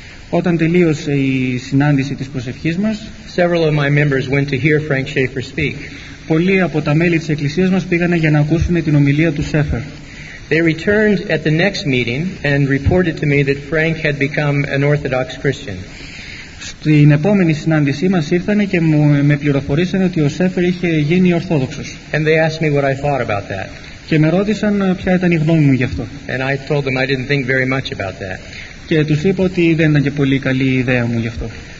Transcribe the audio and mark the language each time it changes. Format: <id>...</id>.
<el>όταν τελείωσε η συνάντηση της προσευχής μας,</el> <en>several of my members went to hear Frank Schaefer speak.</en> <el>Πολλοί από τα μέλη της εκκλησίας μας πήγανε για να ακούσουν την ομιλία του Σέφερ.</el> <en>They returned at the next meeting and reported to me that Frank had become an Orthodox Christian.</en> <el>Στην επόμενη συνάντησή μας ήρθανε και με πληροφορήσανε ότι ο Σέφερ είχε γίνει Ορθόδοξος.</el> <en>And they asked me what I thought about that.</en> <el>Και με ρώτησαν ποια ήταν η γνώμη μου γι' αυτό.</el> <en>And I told them I didn't think very much about that.</en> <el>Και τους είπα ότι δεν ήταν και πολύ καλή ιδέα μου γι' αυτό.</el>